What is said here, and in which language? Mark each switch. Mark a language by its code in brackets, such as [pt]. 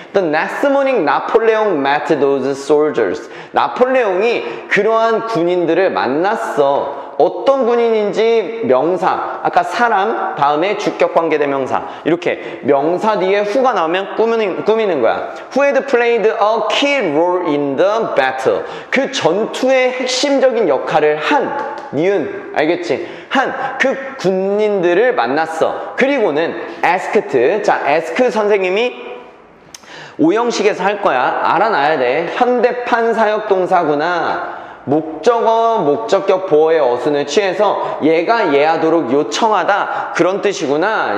[en] The next morning, Napoleon met those soldiers. [ko] 나폴레옹이 그러한 군인들을 만났어. 어떤 군인인지 명사, 아까 사람 다음에 주격관계대명사, 이렇게 명사 뒤에 후가 나오면 꾸미는 거야. [en] Who had played a key role in the battle. [ko] 그 전투의 핵심적인 역할을 한 니은, 알겠지? 한 그 군인들을 만났어. 그리고는 asked. 자, ask 선생님이 오형식에서 할 거야. 알아놔야 돼. 현대판 사역동사구나. 목적어, 목적격 보어의 어순을 취해서 얘가 얘하도록 요청하다, 그런 뜻이구나.